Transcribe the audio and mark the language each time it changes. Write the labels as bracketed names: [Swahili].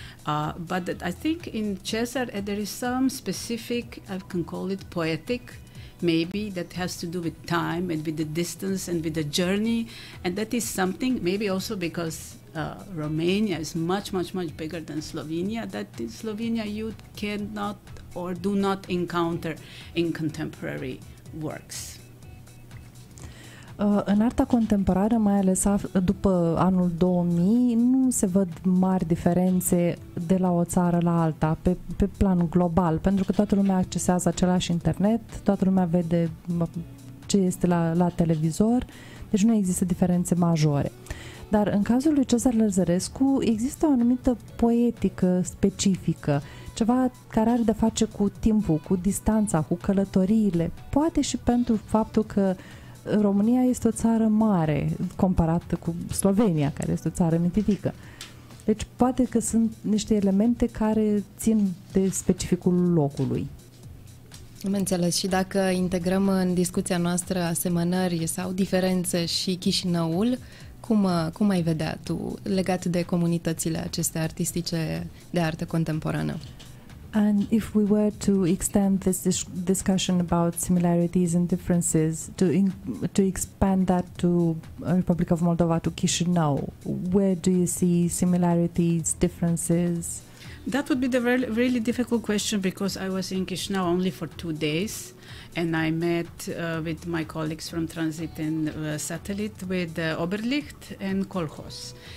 [English] But I think in Cesar there is some specific, I can call it poetic, maybe, that has to do with time and with the distance and with the journey. And that is something, maybe also because Romania is much, much, much bigger than Slovenia, that in Slovenia you cannot or do not encounter in contemporary works. [Romanian] În arta contemporană, mai ales după anul 2000, nu se văd mari diferențe de la o țară la alta, pe plan global, pentru că toată lumea accesează același internet, toată lumea vede ce este la televizor, deci nu există diferențe majore. Dar în cazul lui Cezar Lăzărescu există o anumită poetică specifică, ceva care are de face cu timpul, cu distanța, cu călătoriile, poate și pentru faptul că România este o țară mare comparată cu Slovenia, care este o țară mititică. Deci poate că sunt niște elemente care țin de specificul locului. Am înțeles. Și dacă integrăm în discuția noastră asemănări sau diferențe și Chișinăul, cum ai vedea tu legat de comunitățile acestea artistice de artă contemporană? [English] And if we were to extend this discussion about similarities and differences, to expand that to Republic of Moldova, to Chișinău, where do you see similarities, differences? That would be the really, really difficult question because I was in Chișinău only for 2 days and I met with my colleagues from Transit and Satellite with Oberlicht and Kolkhoz.